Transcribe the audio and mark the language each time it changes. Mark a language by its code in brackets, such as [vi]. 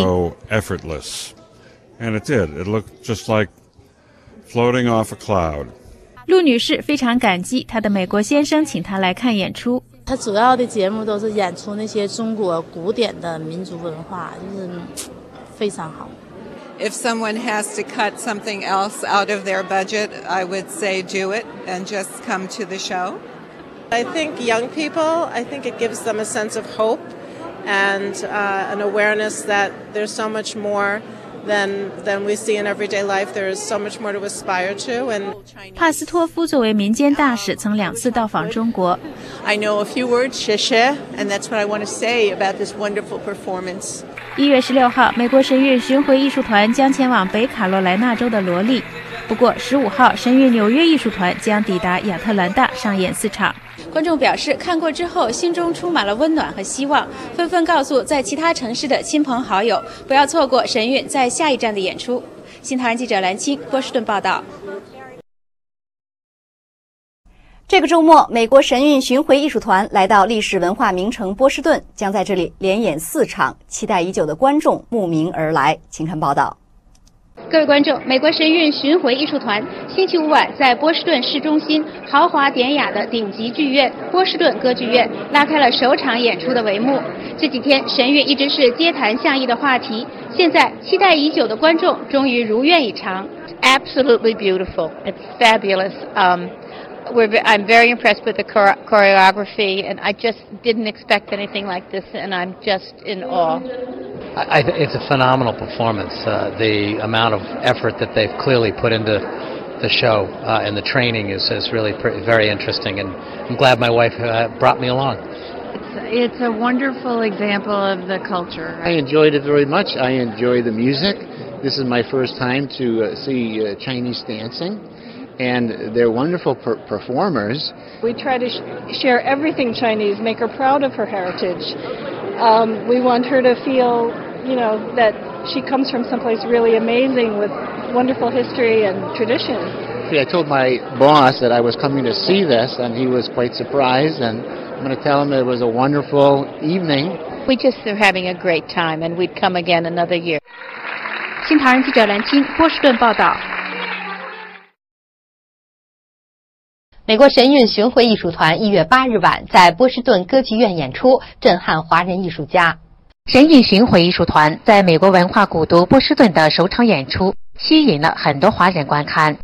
[en] So effortless, and it did. It looked just like floating off a cloud. [zh] 陆女士非常感激她的美国先生请她来看演出。她主要的节目都是演出那些中国古典的民族文化，就是非常好。 [en] If someone has to cut something else out of their budget, I would say do it and just come to the show. I think young people, I think it gives them a sense of hope and an awareness that there's so much more than we see in everyday life. There is so much more to aspire to. And [zh] 帕斯托夫作为民间大使曾两次到访中国。 [en] I know a few words, [zh] 谢谢, [en] and that's what I want to say about this wonderful performance. [zh] 1月16号，美国神韵巡回艺术团将前往北卡罗来纳州的罗利。不过15号，神韵纽约艺术团将抵达亚特兰大上演四场。观众表示，看过之后心中充满了温暖和希望，纷纷告诉在其他城市的亲朋好友，不要错过神韵在下一站的演出。新唐人记者蓝青，波士顿报道。这个周末，美国神韵巡回艺术团来到历史文化名城波士顿，将在这里连演四场，期待已久的观众慕名而来。请看报道。各位观众，美国神韵巡回艺术团星期五晚在波士顿市中心豪华典雅的顶级剧院波士顿歌剧院拉开了首场演出的帷幕。这几天神韵一直是街谈巷议的话题，现在期待已久的观众终于如愿以偿。 [en] Absolutely beautiful. It's fabulous. I'm very impressed with the choreography, and I just didn't expect anything like this, and I'm just in awe. It's a phenomenal performance. The amount of effort that they've clearly put into the show and the training is really very interesting, and I'm glad my wife brought me along. It's a wonderful example of the culture. I enjoyed it very much. I enjoy the music. This is my first time to see Chinese dancing. and they're wonderful performers. We try to share everything Chinese, make her proud of her heritage. We want her to feel, you know, that she comes from someplace really amazing with wonderful history and tradition. I told my boss that I was coming to see this, and he was quite surprised, and I'm going to tell him it was a wonderful evening. We just are having a great time, and we'd come again another year. [zh] 新唐人记者蓝青，波士顿报道。美国神韵巡回艺术团1月8日晚在波士顿歌剧院演出，震撼华人艺术家。神韵巡回艺术团在美国文化古都波士顿的首场演出吸引了很多华人观看。